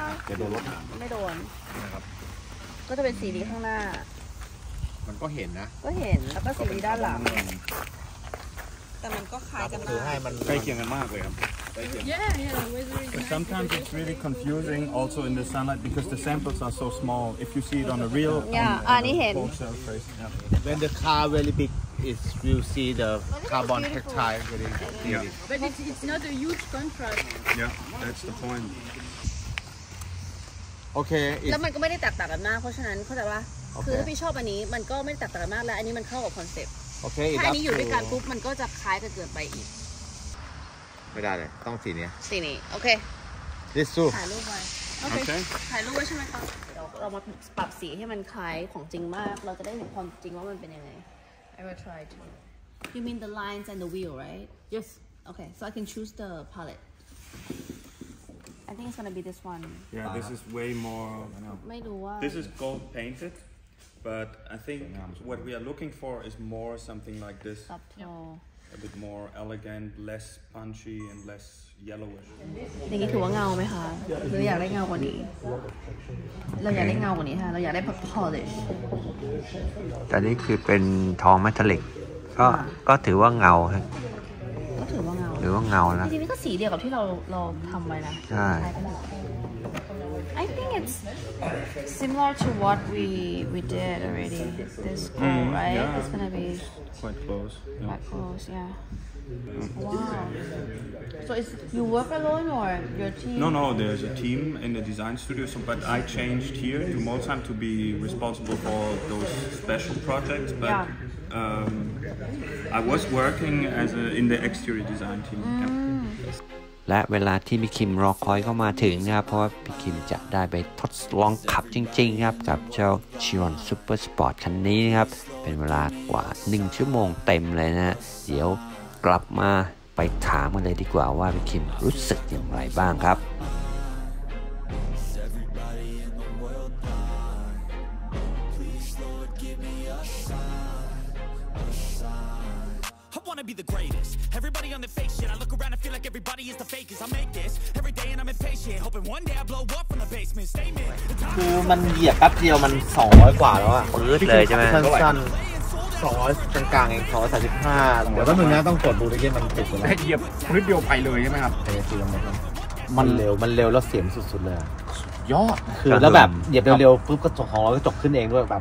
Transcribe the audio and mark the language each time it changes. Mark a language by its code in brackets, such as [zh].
[th] จ ะโดนรถ ไม่โดน นะครับ ก็จะเป็นสีดีข้างหน้ามันก็เห็นนะ ก็เห็นแล้วก็สีดีด้านหลังแต่มันก็คล้ายกันมาก คือให้มัน ใกล้เคียงกันมากเลยครับ [en] Yeah, yeah. Sometimes it's really confusing also in the sunlight because the samples are so small. If you see it on a real when the car really big, it's, you see the carbon hectare really big. But it's not a huge contrast. Yeah, that's the point. Okay. [th] แล้วมันก็ไม่ได้แตกต่างกันมากเพราะฉะนั้นเข้าใจว่าคือถ้าพี่ชอบอันนี้มันก็ไม่ได้แตกต่างมากและอันนี้มันเข้ากับคอนเซ็ปต์ [en] Okay. [th] ถ้าอันนี้อยู่ด้วยกันปุ๊บมันก็จะคล้ายกันเกินไปอีก ไม่ได้เลยต้องสีนี้สีนี้โอเค [en] This too [th] ถ่ายรูปไว้โอเคถ่ายรูปไว้ใช่ไหมคะเรามาปรับสีให้มันคล้ายของจริงมากเราจะได้เห็นความจริงว่ามันเป็นยังไง [en] I will try to You mean the lines and the wheel right Yes Okay so I can choose the palette I think it's gonna be this one Yeah this is way more [th] ไม่รู้ว่า [en] This is gold painted but I think what we are looking for is more something like this A bit more elegant, less punchy, and less yellowish. [th] อย่างนี้ถือว่าเงาไหมคะเราอยากได้เงากว่านี้เราอยากได้เงากว่านี้ค่ะเราอยากได้ polish แต่นี่คือเป็นทองเมทัลลิกก็ถือว่าเงาครับ ก็ถือว่าเงา ถือว่าเงานะ จริงๆนี่ก็สีเดียวกับที่เราทำไว้นะ ใช่ [en] I think it's similar to what we did already. This gold, right? Yeah. It's gonna be quite close. Quite close, yeah. Wow. So is you work alone or your team? No, no, there's a team in the design studio, so, but I changed here to Molsheim to be responsible for those special projects, but yeah. I was working as a, in the exterior design team. Mm. Yeah. [th] และเวลาที่พี่คิมรอคอยเข้ามาถึงนะครับเพราะพี่คิมจะได้ไปทดลองขับจริงๆครับกับเจ้าชิออนซูเปอร์สปอร์ตคันนี้นะครับเป็นเวลากว่า1ชั่วโมงเต็มเลยนะเดี๋ยวกลับมาไปถามกันเลยดีกว่าว่าพี่คิมรู้สึกอย่างไรบ้างครับ [en] Wanna be the greatest. Everybody on the fake shit. I look around and feel like everybody is the fakest. I make this every day and I'm impatient, hoping one day I blow up from the basement. Statement. [th] คือมันเหยียบแป๊บเดียวมัน200กว่าแล้วอ่ะ ปึ๊ดเลยใช่มั้ย สั้นๆ200กลางๆเอง235 เดี๋ยวถ้ามึงนะต้องกดดูตะกี้มันติด แล้วเหยียบปึ๊ดเดียวไปเลยใช่มั้ยครับ เออ คือ มัน เร็วมันเร็วแล้วเสียงสุดๆเลย ยอด คือแล้วแบบเหยียบเร็วๆปึ๊บกระจกของเรากระจกขึ้นเองด้วยแบบ